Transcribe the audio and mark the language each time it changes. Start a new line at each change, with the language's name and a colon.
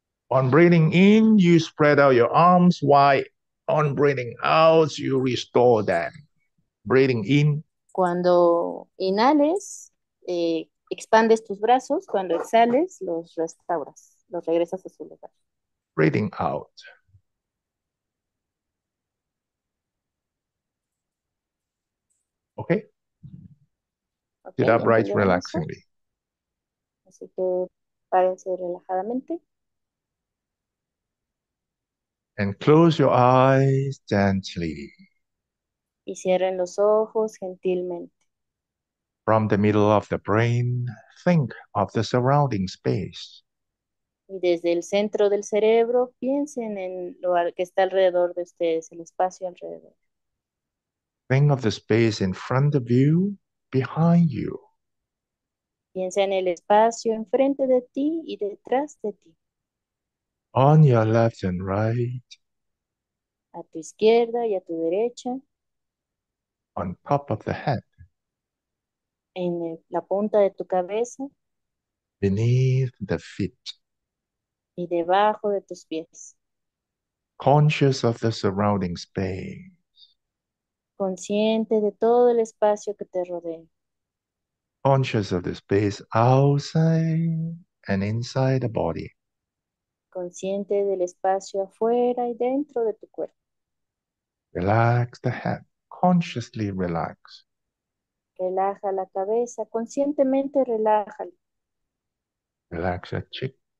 English: On breathing in, you spread out your arms wide. On breathing out, you restore them. Breathing in.
Spanish: Cuando inhales, expandes tus brazos, cuando exhales, los restauras, los regresas a su lugar.
English: Breathing out. Okay. Sit Okay, upright
Spanish: empezamos.
English: relaxingly.
Spanish: Así que párense relajadamente.
English: And close your eyes gently.
Spanish: Y cierren los ojos gentilmente.
English: From the middle of the brain, think of the surrounding space.
Spanish: Y desde el centro del cerebro, piensen en lo que está alrededor de ustedes, el espacio alrededor.
English: Think of the space in front of you, behind you.
Spanish: Piensa en el espacio enfrente de ti y detrás de ti.
English: On your left and right.
Spanish: A tu izquierda y a tu derecha.
English: On top of the head.
Spanish: En la punta de tu cabeza.
English: Beneath the feet.
Spanish: Y debajo de tus pies.
English: Conscious of the surrounding space.
Spanish: Consciente de todo el espacio que te rodea.
English: Conscious of the space outside and inside the body.
Spanish: Consciente del espacio afuera y dentro de tu cuerpo.
English: Relax the head, consciously relax.
Spanish: Relaja la cabeza, conscientemente relájala.
English: Relax the cheek.